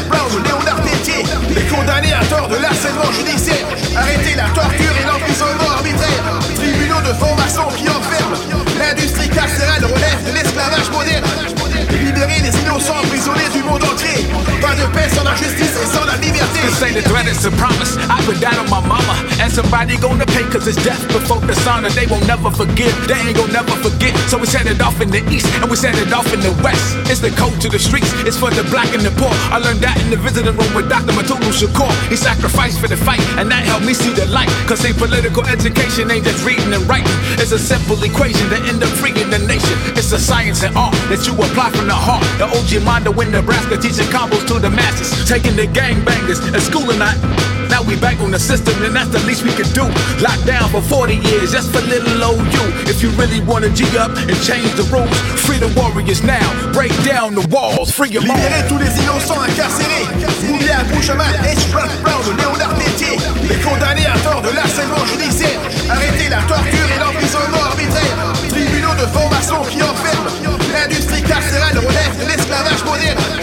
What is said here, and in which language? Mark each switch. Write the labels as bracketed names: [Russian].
[French] Brown, Léonard Pelletier, les condamnés à tort de l'harcèlement judiciaire, arrêter la torture et l'emprisonnement arbitraire, tribunaux de formation qui enferment, l'industrie carcérale relève de l'esclavage moderne, libérer les innocents emprisonnés du monde entier, pas de paix sans la justice et sans la liberté. [English] This ain't a threat, it's a promise, I put that on my mama. And somebody gonna pay cause it's death before dishonor. They won't never forgive, they ain't gonna never forget. So we send it off in the east and we send it off in the west. It's the code to the streets, it's for the black and the poor. I learned that in the visiting room with Dr. Matulu Shakur. He sacrificed for the fight and that helped me see the light. Cause ain't political education, ain't just reading and writing. It's a simple equation to end up freeing the nation. It's a science and art that you apply from the heart. The OG Mondo in Nebraska teaching combos to the masses, taking the gangbangers and schooling that. Now we back on the system and that's the least we can do. Locked down for 40 years just for little old you. If you really wanna G up and change the rules, free the warriors now, break down the walls, free your mind. [French] Libérer tous les innocents incarcérés, Mounia, Bouchamal, H.R. Brown, Léonard Pelletier, les condamnés à tort de l'harcèlement judiciaire, arrêter la torture et l'emprisonnement arbitraire, tribunaux de formation qui enferment, l'industrie carcérale relève de l'esclavage moderne.